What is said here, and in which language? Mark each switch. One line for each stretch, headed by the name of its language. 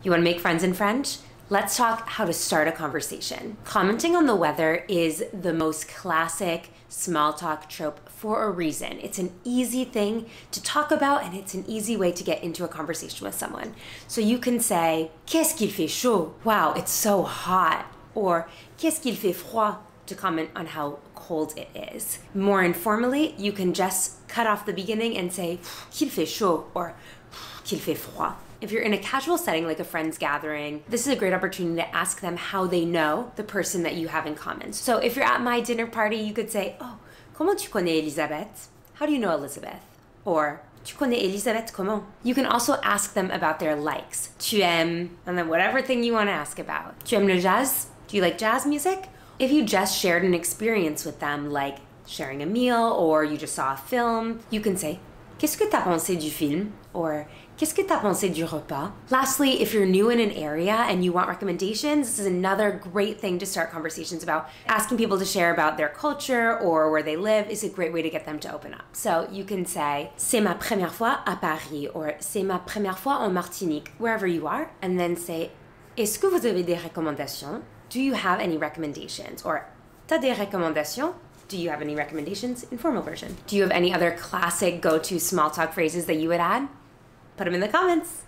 English: You want to make friends in French? Let's talk how to start a conversation. Commenting on the weather is the most classic small talk trope for a reason. It's an easy thing to talk about, and it's an easy way to get into a conversation with someone. So you can say,
French: qu'est-ce qu'il fait chaud?
English: Wow, it's so hot. Or,
French: qu'est-ce qu'il fait froid?
English: To comment on how cold it is. More informally, you can just cut off the beginning and say,
French: qu'il fait chaud,
English: or
French: qu'il fait froid.
English: If you're in a casual setting, like a friend's gathering, this is a great opportunity to ask them how they know the person that you have in common. So if you're at my dinner party, you could say, oh,
French: comment tu connais Elisabeth?
English: How do you know Elisabeth? Or,
French: tu connais Elisabeth comment?
English: You can also ask them about their likes.
French: Tu aimes,
English: and then whatever thing you want to ask about.
French: Tu aimes le jazz?
English: Do you like jazz music? If you just shared an experience with them, like sharing a meal, or you just saw a film, you can say,
French: qu'est-ce que t'as pensé du film? Or, qu'est-ce que t'as pensé du repas?
English: Lastly, if you're new in an area and you want recommendations, this is another great thing to start conversations about. Asking people to share about their culture or where they live is a great way to get them to open up. So you can say,
French: c'est ma première fois à Paris, or c'est ma première fois en Martinique,
English: wherever you are, and then say,
French: est-ce que vous avez des recommandations?
English: Do you have any recommendations? Or,
French: t'as des recommandations?
English: Do you have any recommendations? Informal version. Do you have any other classic go-to small talk phrases that you would add? Put them in the comments.